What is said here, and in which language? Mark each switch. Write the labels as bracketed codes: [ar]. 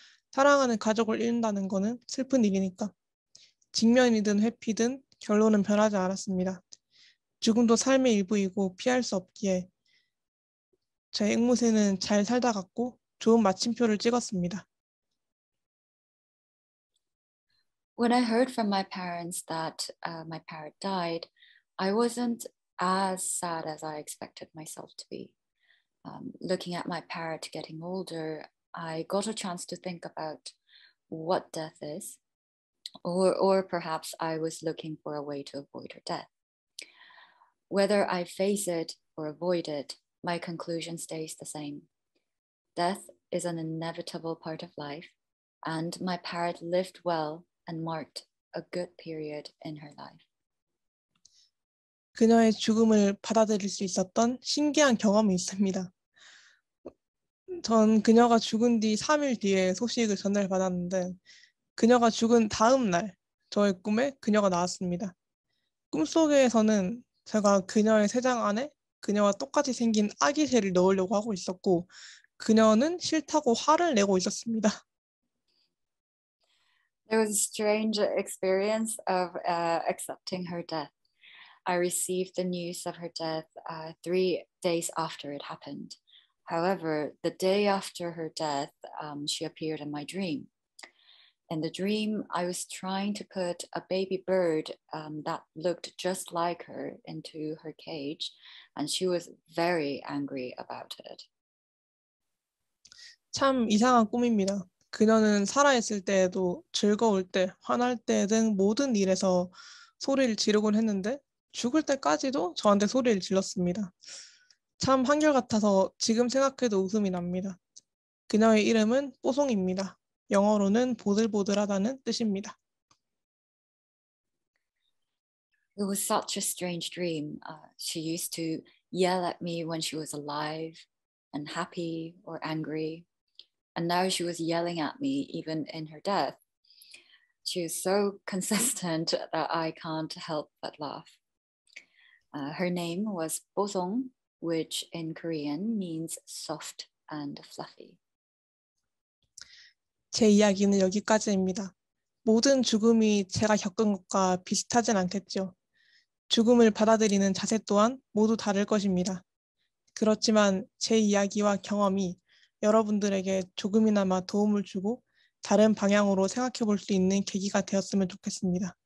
[ko] 사랑하는 가족을 잃는다는 것은 슬픈 일이니까. 직면이든 회피든 결론은 변하지 않았습니다. 죽음도 삶의 일부이고 피할 수 없기에 제 앵무새는 잘 살다 갔고 좋은 마침표를 찍었습니다. [en] When I heard from my parents that my parrot died, I wasn't as sad as I expected myself to be. Looking at my parrot getting older, I got a chance to think about what death is, or perhaps I was looking for a way to avoid her death. Whether I face it or avoid it, my conclusion stays the same. Death is an inevitable part of life, and my parrot lived well and marked a good period in her life. [ko] 그녀의 죽음을 받아들일 수 있었던 신기한 경험이 있습니다. 전 그녀가 죽은 뒤 3일 뒤에 소식을 전달 받았는데, 그녀가 죽은 다음 날 저의 꿈에 그녀가 나왔습니다. 꿈속에서는 제가 그녀의 새장 안에 그녀와 똑같이 생긴 아기 새를 넣으려고 하고 있었고, 그녀는 싫다고 화를 내고 있었습니다. [en] It was a strange experience of accepting her death. I received the news of her death 3 days after it happened. However, the day after her death, she appeared in my dream. In the dream, I was trying to put a baby bird that looked just like her into her cage, and she was very angry about it. [ko] 참 이상한 꿈입니다. 그녀는 살아있을 때에도 즐거울 때, 화날 때 등 모든 일에서 소리를 지르곤 했는데 죽을 때까지도 저한테 소리를 질렀습니다. 참 한결같아서 지금 생각해도 웃음이 납니다. 그녀의 이름은 뽀송입니다. 영어로는 보들보들하다는 뜻입니다. [en] It was such a strange dream. She used to yell at me when she was alive and happy or angry. And now she was yelling at me even in her death. She is so consistent that I can't help but laugh. Her name was Bosong, which in Korean means soft and fluffy. [ko] 제 이야기는 여기까지입니다. 모든 죽음이 제가 겪은 것과 비슷하진 않겠죠. 죽음을 받아들이는 자세 또한 모두 다를 것입니다. 그렇지만 제 이야기와 경험이 여러분들에게 조금이나마 도움을 주고 다른 방향으로 생각해 볼 수 있는 계기가 되었으면 좋겠습니다.